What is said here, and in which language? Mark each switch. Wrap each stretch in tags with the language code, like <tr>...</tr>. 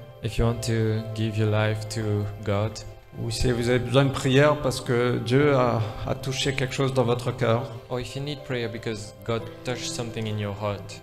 <en>if you want to give your life to God,</en> <fr>ou si vous avez besoin de prière parce que Dieu a touché quelque chose dans votre cœur,</fr> <en>or if you need prayer because God touched something in your heart,</en>